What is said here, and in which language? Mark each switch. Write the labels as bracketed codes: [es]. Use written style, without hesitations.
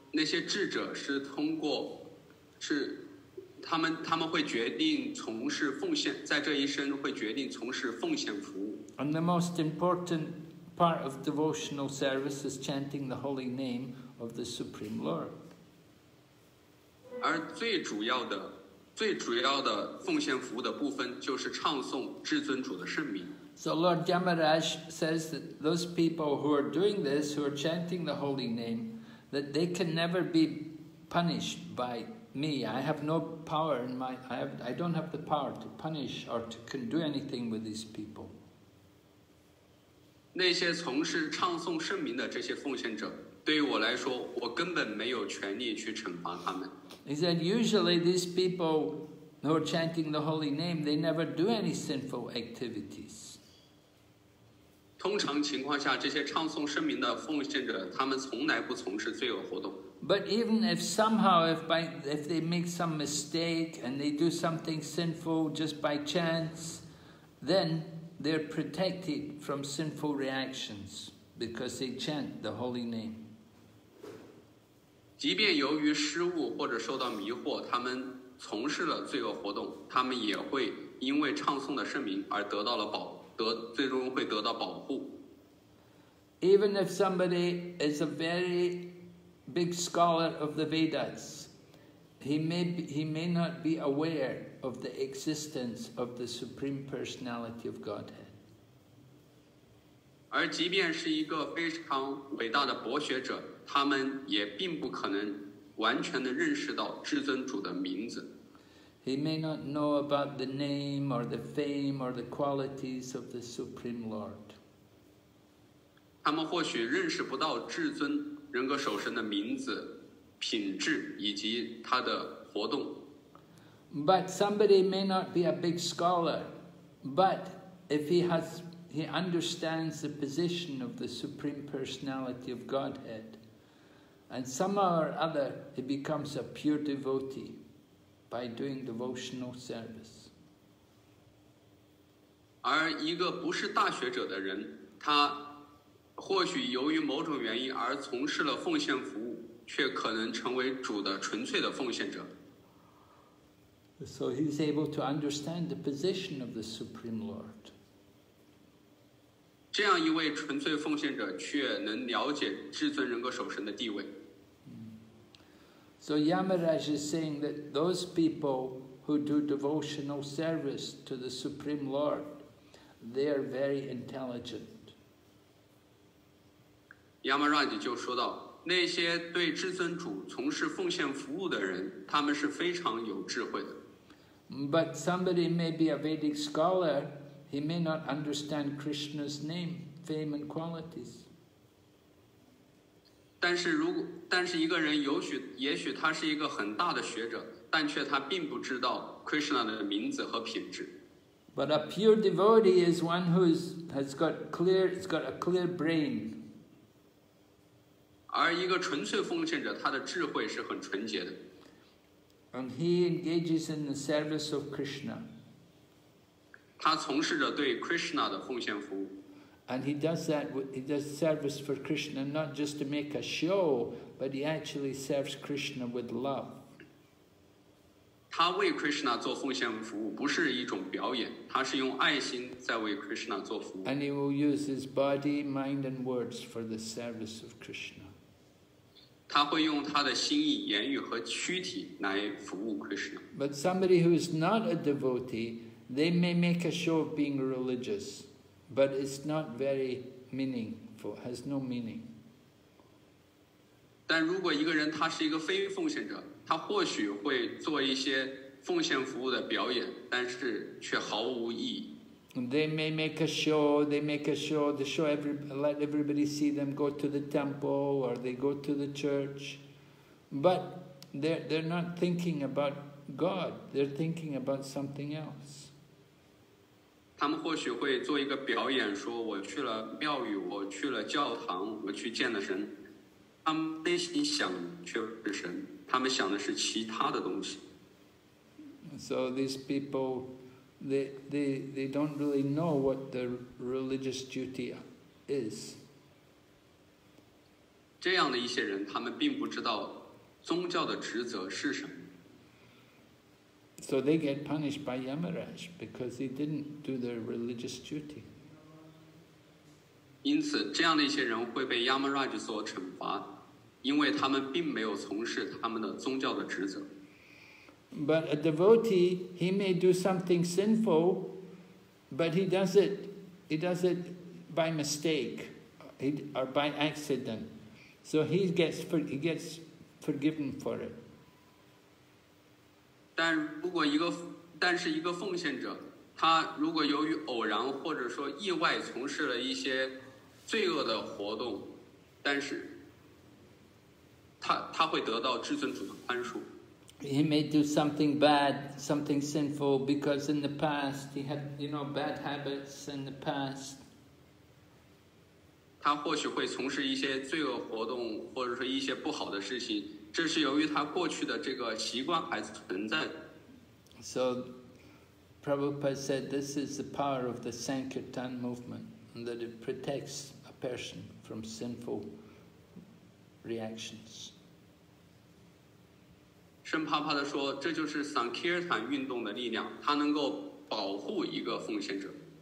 [zh] 那些智者是通过，是他们会决定从事奉献，在这一生会决定从事奉献服务。 [en] And the most important part of devotional service is chanting the holy name of the Supreme Lord. [zh] 而最主要的奉献服务的部分就是唱诵至尊主的圣名。 [en] So Lord Yamaraj says that those people who are doing this, who are chanting the holy name, that they can never be punished by me. I have no power in my, I don't have the power to punish or to can do anything with these people. [zh] 那些从事唱诵圣名的这些奉献者，对于我来说，我根本没有权利去惩罚他们。 [en] He said, usually these people who are chanting the holy name, they never do any sinful activities. [zh] 通常情况下，这些唱诵圣名的奉献者，他们从来不从事罪恶活动。 [en] But even if somehow, if they make some mistake and they do something sinful just by chance, then they're protected from sinful reactions because they chant the holy name. [zh] 即便由于失误或者受到迷惑，他们从事了罪恶活动，他们也会因为唱诵的圣名而得到了保，得最终会得到保护。 [en] Even if somebody is a very big scholar of the Vedas, he may not be aware of the existence of the Supreme Personality of Godhead. [zh] 而即便是一个非常伟大的博学者，他们也并不可能完全的认识到至尊主的名字。 [en] He may not know about the name or the fame or the qualities of the Supreme Lord. [zh] 他们或许认识不到至尊人格守神的名字、品质以及他的活动。 [en] But somebody may not be a big scholar, but if he understands the position of the Supreme Personality of Godhead, and somehow or other he becomes a pure devotee by doing devotional service. [zh] 而一个不是大学者的人，他或许由于某种原因而从事了奉献服务，却可能成为主的纯粹的奉献者。 [en] So he's able to understand the position of the Supreme Lord. [zh] 这样一位纯粹奉献者却能了解至尊人格守神的地位。 [en] So Yamaraj is saying that those people who do devotional service to the Supreme Lord, they are very intelligent. [zh] Yamaraj 就说到，那些对至尊主从事奉献服务的人，他们是非常有智慧的。 [en] But somebody may be a Vedic scholar, he may not understand Krishna's name, fame and qualities. [zh] 但是一个人也许他是一个很大的学者，但却他并不知道 Krishna 的名字和品质。 [en] But a pure devotee is one who's got a clear brain. [zh] 而一个纯粹奉献者，他的智慧是很纯洁的。 [en] And he engages in the service of Krishna. [zh] 他从事着对 Krishna 的奉献服务。 [en] And he does that, he does service for Krishna, not just to make a show, but he actually serves Krishna with love. [zh] 他为 Krishna 做奉献服务不是一种表演，他是用爱心在为 Krishna 做服务。 [en] And he will use his body, mind and words for the service of Krishna. [zh] 他会用他的心意、言语和躯体来服务 Krishna。 [en] But somebody who is not a devotee, they may make a show of being religious, but it's not very meaningful, has no meaning. [zh] 但如果一个人他是一个非奉献者，他或许会做一些奉献服务的表演，但是却毫无意义。 [en] They may make a show, they make a show, the show every, let everybody see them go to the temple or they go to the church. But they're not thinking about God, they're thinking about something else. [zh] 他们或许会做一个表演，说我去了庙宇，我去了教堂，我去见了神。他们内心想却不是神，他们想的是其他的东西。 [en] So these people,They don't really know what the religious duty is. [zh] 这样的一些人，他们并不知道宗教的职责是什么。 [en] So they get punished by Yamaraj because they didn't do their religious duty. [zh] 因此，这样的一些人会被 Yamaraj 所惩罚，因为他们并没有从事他们的宗教的职责。 [en] But a devotee, he may do something sinful, but he does it by mistake, or by accident. So he gets forgiven for it. [zh] 但是一个奉献者，他如果由于偶然或者说意外从事了一些罪恶的活动，但是他会得到至尊主的宽恕。 [en] He may do something bad, something sinful, because in the past he had, you know, bad habits in the past. [zh] 他或许会从事一些罪恶活动，或者说一些不好的事情，这是由于他过去的这个习惯还存在。 [en] So, Prabhupada said, this is the power of the Sankirtan movement, that it protects a person from sinful reactions. [zh] 圣帕帕地说，这就是 Sankirtan 运动的力量，它能够保护一个奉献者。